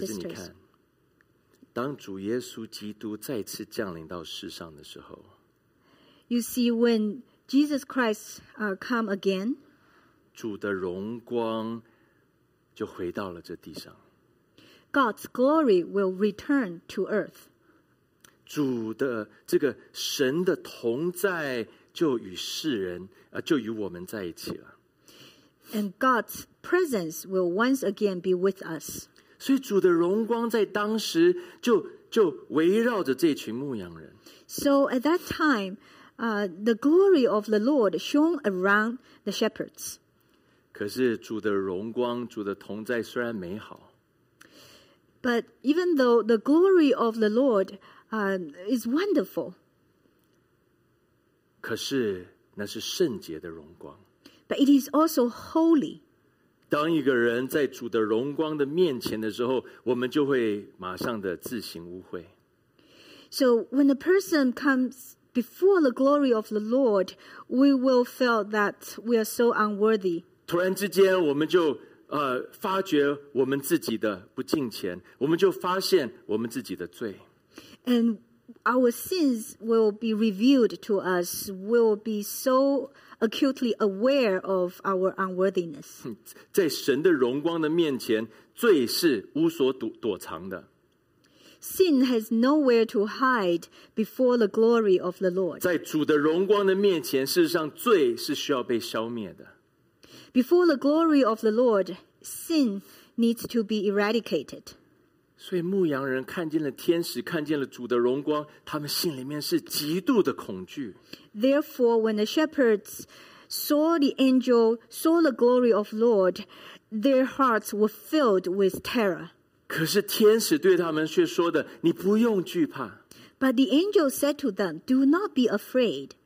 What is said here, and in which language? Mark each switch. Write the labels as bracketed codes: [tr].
[zh] 可是你看，当主耶稣基督再次降临到世上的时候， [en] You see, when Jesus Christ come again, [zh] 主的荣光就回到了这地上。 [en] God's glory will return to earth. [zh] 主的这个神的同在就与世人就与我们在一起了。 [en] And God's presence will once again be with us. [zh] 所以主的荣光在当时就围绕着这群牧羊人。 [en] So at that time, the glory of the Lord shone around the shepherds. [zh] 可是主的荣光，主的同在虽然美好。 [en] But even though the glory of the Lord is wonderful, [zh] 可是那是圣洁的荣光。 [en] But it is also holy. [zh] 当一个人在主的荣光的面前的时候，我们就会马上的自行污秽。 [en] So when a person comes before the glory of the Lord, we will feel that we are so unworthy. [zh] 突然之间我们就发觉我们自己的不敬虔，我们就发现我们自己的罪。 [en] And our sins will be revealed to us, will be so acutely aware of our unworthiness. [zh] 在神的荣光的面前，罪是无所躲藏的。 [en] Sin has nowhere to hide before the glory of the Lord. [zh] 在主的荣光的面前，事实上罪是需要被消灭的。 [en] Before the glory of the Lord, sin needs to be eradicated. [zh] 所以牧羊人看见了天使，看见了主的荣光，他们心里面是极度的恐惧。 [en] Therefore, when the shepherds saw the angel, saw the glory of the Lord, their hearts were filled with terror. [zh] 可是天使对他们却说的，你不用惧怕。 [en] But the angel said to them, do not be afraid.